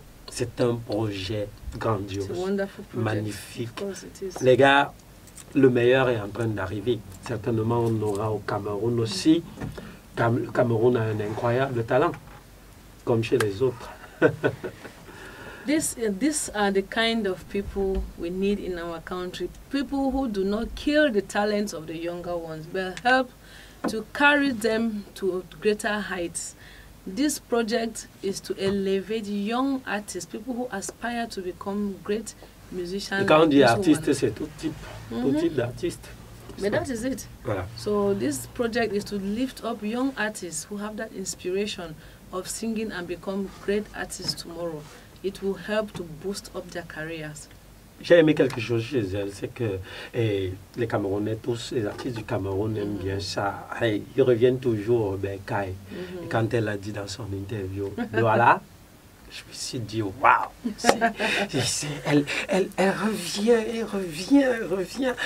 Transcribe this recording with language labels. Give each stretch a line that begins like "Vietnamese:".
French: C'est un projet grandiose, magnifique. Les gars, le meilleur est en train d'arriver. Certainement, on aura au Cameroun aussi. Le Cameroun a un incroyable talent, comme chez les autres.
English: These are the kind of people we need in our country. People who do not kill the talents of the younger ones, but help to carry them to greater heights. This project is to elevate young artists, people who aspire to become great musicians.
French: Quand on dit artiste, c'est tout type, mm-hmm. tout type d'artiste.
English: Mais so, that is it.
French: Voilà.
English: So this project is to lift up young artists who have that inspiration of singing and become great artists tomorrow. It will help to boost up their careers.
French: J'ai aimé quelque chose chez elle, c'est que les Camerounais, tous les artistes du Cameroun aiment mm-hmm. bien ça. Ils reviennent toujours au Bekai. Mm-hmm. Quand elle a dit dans son interview, voilà, je me suis dit, waouh, elle revient.